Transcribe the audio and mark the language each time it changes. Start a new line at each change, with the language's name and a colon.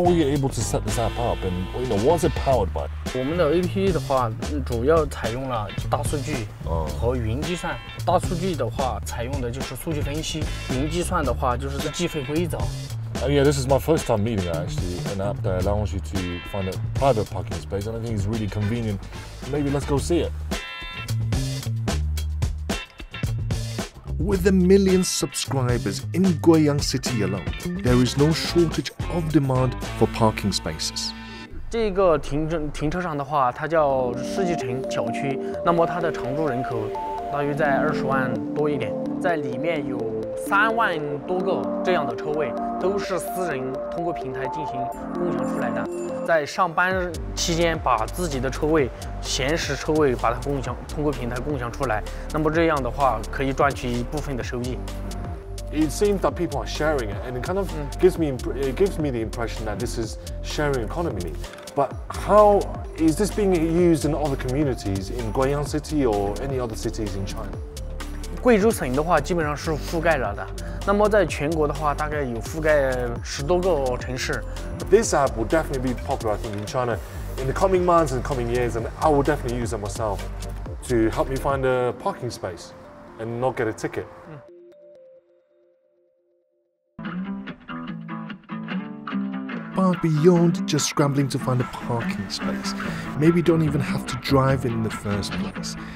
English: were you able to set this app up and you know, what's it powered by?
Chinese: 我们的APP的话主要采用了大数据和云计算，大数据的话采用的就是数据分析，云计算的话就是计费规则。
English: Yeah, this is my first time meeting actually, an app that allows you to find a private parking space and I think it's really convenient. Maybe let's go see it. With a million subscribers in Guiyang City alone, there is no shortage of demand for parking spaces.
Chinese: 这个停车场的话，它叫世纪城小区。那么它的常住人口大约在20万多一点，在里面有3万多个这样的车位，都是私人通过平台进行共享出来的。在上班期间，把自己的车位、闲时车位把它共享通过平台共享出来。那么这样的话，可以赚取一部分的收益。
English: it seems that people are sharing it, and it kind of gives me the impression that this is sharing economy. But how is this being used in other communities in Guiyang City or any other cities in China?
Chinese: 贵州省的话基本上是覆盖了的，那么在全国的话大概有覆盖十多个城市。
English: This app will definitely be popular, I think, in China in the coming months and coming years, and I will definitely use it myself to help me find a parking space and not get a ticket. 嗯。 But beyond just scrambling to find a parking space, maybe you don't even have to drive in the first place.